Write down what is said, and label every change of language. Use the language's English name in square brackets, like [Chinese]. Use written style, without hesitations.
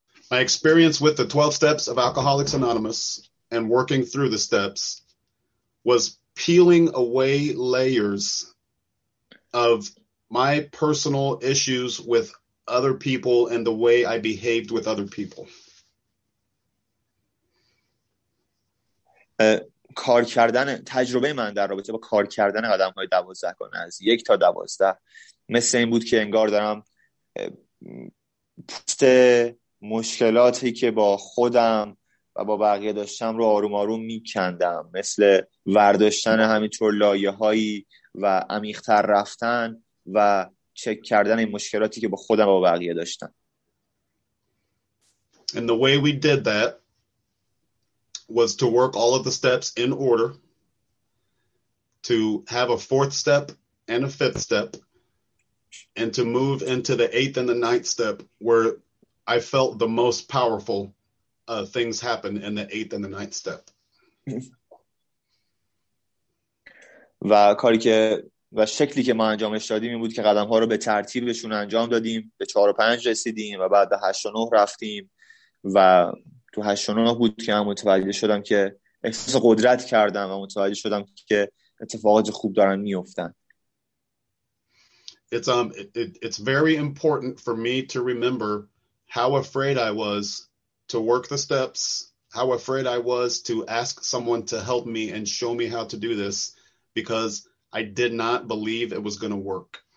[English] My experience with the 12 steps of Alcoholics Anonymous and working through the steps was peeling away layers of my personal issues with other people and the way I behaved with other people. [Persian] کار کردن تجربه من در رابطه با کار کردن قدم های 12 گانه از 1 تا 12 مثل این بود که انگار دارم پوست مشکلاتی که با خودم و با بقیه داشتم رو آروم آروم میکندم، مثل ورداشتن همینطور لایه هایی و عمیق‌تر رفتن و چک کردن این مشکلاتی که با خودم و با بقیه داشتم. [English] And the way we did that was to work all of the steps in order, to have a fourth step and a fifth step, and to move into the eighth and the ninth step where I felt the most powerful things happen in the eighth and the ninth step. [Persian] و کاری که و شکلی که ما انجامش دادیم این بود که قدم ها رو به ترتیبشون انجام دادیم، به 4 و 5 رسیدیم و بعد به 8 و 9 رفتیم و تو 8 و 9 بود که من متوجه شدم که احساس قدرت کردم و متوجه شدم که اتفاقات خوب دارن میافتن. [English] It's very important for me to remember how afraid I was to work the steps, how afraid I was to ask someone to help me and show me how to do this, because I did not believe it was going to work.